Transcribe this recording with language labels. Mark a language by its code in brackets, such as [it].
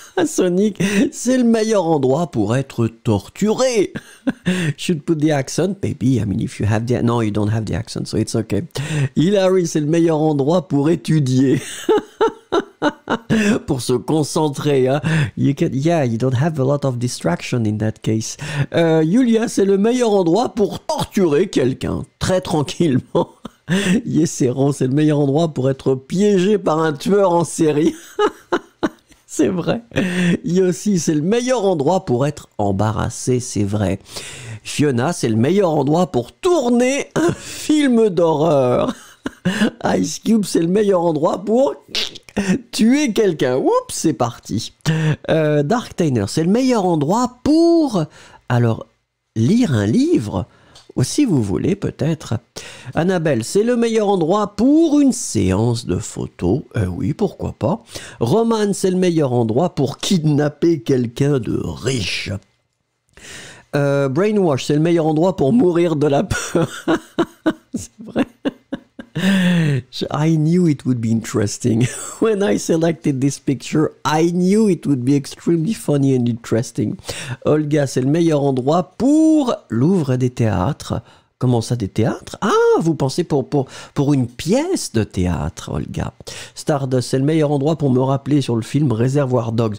[fr] Sonic, c'est le meilleur endroit pour être torturé. [en] Should put the accent, maybe. I mean, if you have the... No, you don't have the accent, so it's okay. Hillary, [fr] c'est le meilleur endroit pour étudier. Pour se concentrer, hein. [en] You can, yeah, you don't have a lot of distraction in that case. [fr] Julia, c'est le meilleur endroit pour torturer quelqu'un, très tranquillement. Yesseron, c'est le meilleur endroit pour être piégé par un tueur en série. C'est vrai. Yossi, c'est le meilleur endroit pour être embarrassé, c'est vrai. Fiona, c'est le meilleur endroit pour tourner un film d'horreur. Ice Cube, c'est le meilleur endroit pour tuer quelqu'un. Oups, c'est parti. Dark Tainer, c'est le meilleur endroit pour... Alors, lire un livre, ou si vous voulez, peut-être. Annabelle, c'est le meilleur endroit pour une séance de photos. Oui, pourquoi pas. Roman, c'est le meilleur endroit pour kidnapper quelqu'un de riche. Brainwash, c'est le meilleur endroit pour mourir de la peur. C'est vrai. [en] I knew it would be interesting. When I selected this picture, I knew it would be extremely funny and interesting. [fr] Olga, c'est le meilleur endroit pour Louvre des théâtres. Comment ça, des théâtres? Ah, vous pensez pour une pièce de théâtre, Olga. Stardust, c'est le meilleur endroit pour me rappeler sur le film Reservoir Dogs.